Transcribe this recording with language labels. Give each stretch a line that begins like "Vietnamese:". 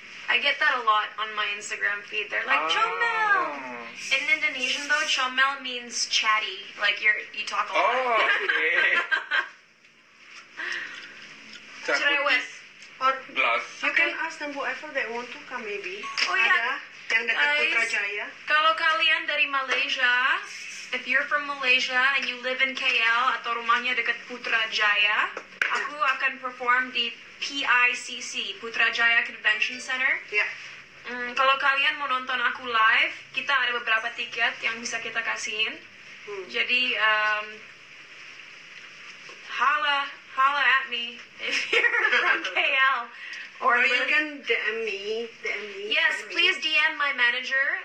English: I get that a lot on my Instagram feed. They're like, chomel. In Indonesian, though, chomel means chatty. Like, you talk a lot. Oh, okay.
Indonesian: Cerewet.
English: Or glass. You can ask them whoever they want to come, maybe. Oh, yeah.
Indonesian: Ada yang dekat Putrajaya. Kalau kalian dari Malaysia,
English: if you're from Malaysia and you live in KL
Indonesian: atau rumahnya dekat Putrajaya, aku akan perform di PICC, Putrajaya Convention Center.
English: Yeah.
Indonesian: Kalau kalian mau nonton aku live, kita ada beberapa tiket yang bisa kita kasihin. Jadi,
English: holla at me if you're from KL. Or you can DM me. Yes, please DM my manager.